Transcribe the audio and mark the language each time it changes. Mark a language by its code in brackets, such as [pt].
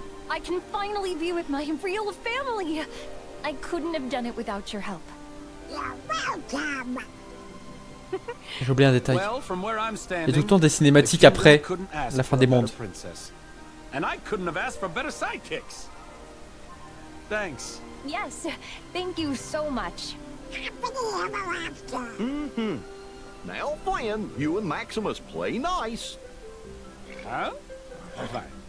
[en] I can finally be with my real family. I couldn't have done it without your help. [fr] J'ai oublié un détail. Il y a tout le temps des cinématiques après la fin des mondes. [en] And I couldn't have asked for better sidekicks. Thanks. Yes, thank you so much. Now, Flynn, you and Maximus play nice. Huh? Fine.